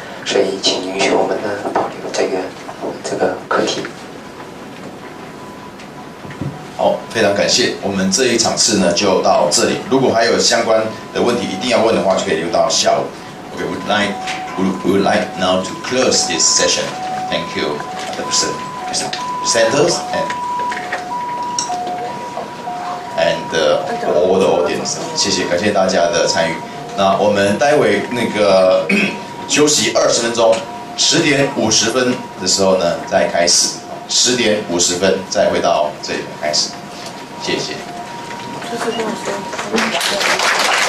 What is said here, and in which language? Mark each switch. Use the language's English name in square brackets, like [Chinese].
[Chinese] 所以请允许我们呢保留这个课题。好，非常感谢，我们这一场次呢就到这里，如果还有相关的问题一定要问的话就可以留到下午。 [English] Okay, we would like now to close this session. Thank you the presenters and all the audience. [Chinese] 谢谢，感谢大家的参与，那我们待会那个休息20分钟，10:50的时候呢再开始，10:50再回到这里开始，谢谢。